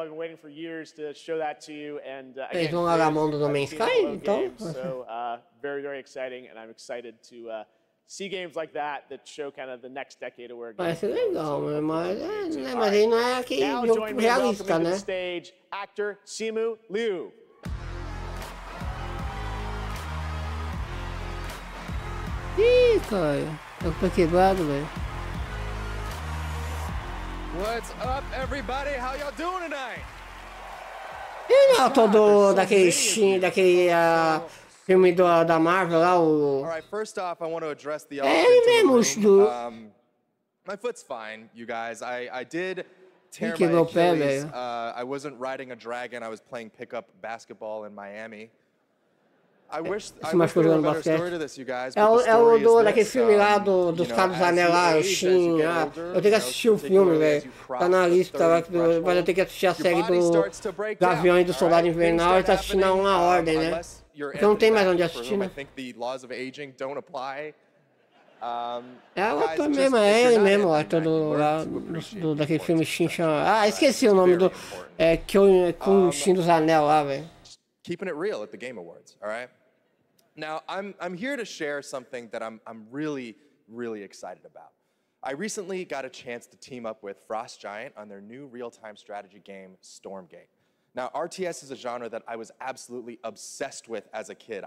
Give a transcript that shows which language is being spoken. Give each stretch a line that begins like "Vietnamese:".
English: I've been waiting for years to show that to you. And
Portuguese: eles vão largar a mão do No Man's Sky, então.
English: So, very, very exciting. And I'm excited to see games like that that show kind of the next decade of where games are.
Portuguese: Parece legal, mas, mas aí não é aqui jogo realista, né?
English: Stage, actor Simu Liu.
Portuguese: Ih, cara. Eu tô quebrado, velho.
English: What's up, everybody? How y'all doing tonight?
Portuguese: E lá, todo daquele filme, filme da Marvel lá, o...
English: Alright, first off, I want to address the elephant. Do... My foot's fine, you guys. I did tear my Achilles.
Portuguese: Pé, velho.
English: I wasn't riding a dragon, I was playing pickup basketball in Miami. I wish I was telling a better story to this, you guys.
Portuguese: É o do daquele filme lá dos caras do anel lá, o Shin. Eu tenho que assistir o filme, velho. Tá na lista, mas eu tenho que assistir a série do Gavião e do Soldado Invernal e tá assistindo a Uma Ordem, né? Porque não tem mais onde assistir, né?
English: I think the laws of aging don't apply.
Portuguese: É o ator mesmo, é ele mesmo, o ator daquele filme Shin chama. Ah, esqueci o nome do. É com o Shin dos Anel lá, velho.
English: Keeping it real at the Game Awards, all right? Now, I'm here to share something that I'm really, really excited about. I recently got a chance to team up with Frost Giant on their new real-time strategy game, Stormgate. Now, RTS is a genre that I was absolutely obsessed with as a kid.